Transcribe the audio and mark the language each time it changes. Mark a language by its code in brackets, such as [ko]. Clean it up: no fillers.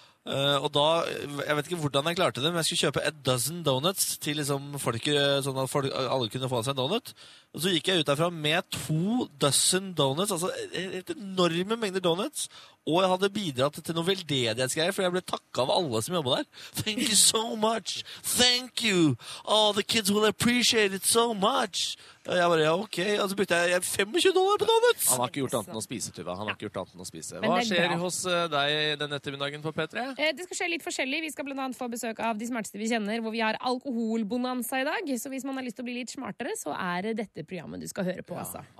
[no] Og da, jeg vet ikke hvordan jeg klarte det, men jeg skulle kjøpe [en] a dozen donuts [no] til liksom folk, sånn at folk, alle kunne få seg en donut. Og så gikk jeg ut derfra med [en] 2 dozen donuts, [no] altså et enorme mengder donuts, Og jeg hadde bidratt til noe veldedighetsgreier, for jeg ble takket av alle som jobbet der. [en] Thank you so much. Thank you. Oh, the kids will appreciate it so much. [no] Og jeg bare, ja, ok. Og så brukte jeg $25 på donuts. Han har ikke gjort annet enn å spise, Tuva. Han har ikke gjort annet enn å spise. Hva skjer hos deg den ettermiddagen på P3? Det skal skje litt forskjellig. Vi skal blant annet få besøk av de smarteste vi kjenner, hvor vi har alkoholbonanza i dag. Så hvis man har lyst til å bli litt smartere, så dette programmet du skal høre på, altså. Ja.